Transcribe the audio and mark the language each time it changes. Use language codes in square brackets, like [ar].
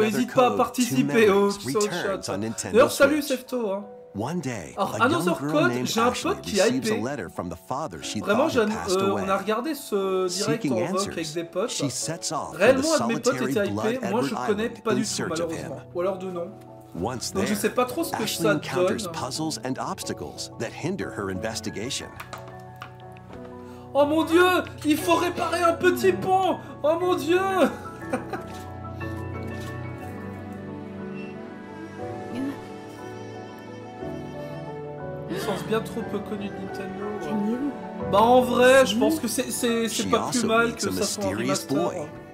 [fr] N'hésite pas à participer au chat. D'ailleurs, salut, Sefto. Hein. One day, another code, j'ai un pote qui a hypé. Vraiment, on a regardé ce direct en VOC avec des potes. Réellement, un de mes potes était hypé. Moi, je ne connais pas du tout, malheureusement. Ou alors de nom. Donc, je ne sais pas trop ce que ça donne. [en] Ashley encounters puzzles and obstacles that hinder her investigation. [fr] Oh mon dieu, il faut réparer un petit pont. Oh mon dieu. Licence bien trop peu connue de Nintendo. Ouais. Bah en vrai, je pense que c'est pas plus mal que ça soit un remaster.